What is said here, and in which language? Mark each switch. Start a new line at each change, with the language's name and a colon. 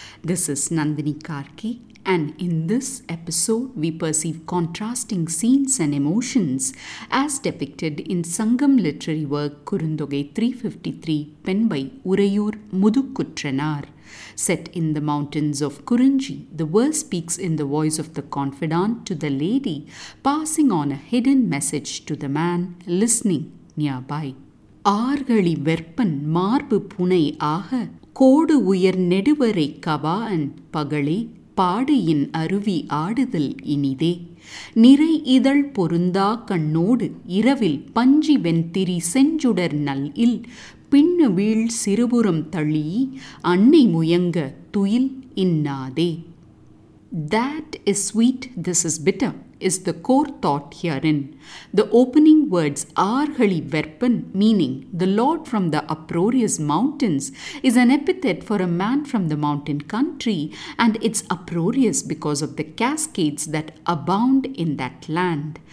English: This is Nandini Karke, and in this episode we perceive contrasting scenes and emotions as depicted in Sangam literary work Kurundogai 353 penned by Urayur Mudukutranar. Set in the mountains of Kurunji, the verse speaks in the voice of the confidant to the lady, passing on a hidden message to the man listening nearby.
Tamil: ஆர்களி வெற்பன் மார்பு புனை ஆக கோடு உயர் நெடுவரை கவான் பகளே பாடு இன் அருவி ஆடுதல் இனிதே நிறை இதழ் பொருந்தா கண்ணோடு இரவில் பஞ்சி வெண்திரி செஞ்சுடர் நல் இல் பின்னு வீழ் சிறுபுறம் தள்ளி அன்னை முயங்க துயில் இன்னாதே.
English: That is sweet, this is bitter, is the core thought herein. The opening words Arhali Verpan, meaning the lord from the uproarious mountains, is an epithet for a man from the mountain country, and it's uproarious because of the cascades that abound in that land.